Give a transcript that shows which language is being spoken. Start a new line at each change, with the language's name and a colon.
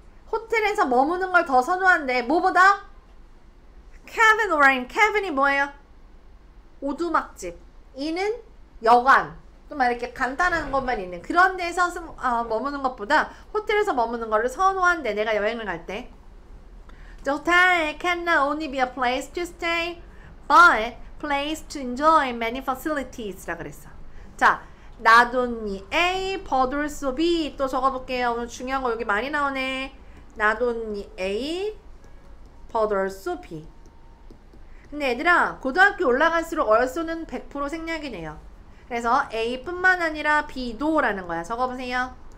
Korean: 호텔에서 머무는 걸 더 선호한대. 뭐보다? cabin or inn. cabin이 뭐예요? 오두막집. 이는 여관. 또막 이렇게 간단한 것만 있는 그런 데서 머무는 것보다 호텔에서 머무는 거를 선호한대. 내가 여행을 갈 때.
English: The hotel cannot only be a place to stay, but place to enjoy many facilities
Korean: 라 그랬어.
English: 자, Not only A, but also B.
Korean: 또 적어볼게요. 오늘 중요한 거 여기 많이 나오네.
English: Not only A, but also B.
Korean: 근데 얘들아, 고등학교 올라갈수록 also는 100% 생략이네요. 그래서 A뿐만 아니라 B도 라는 거야. 적어보세요.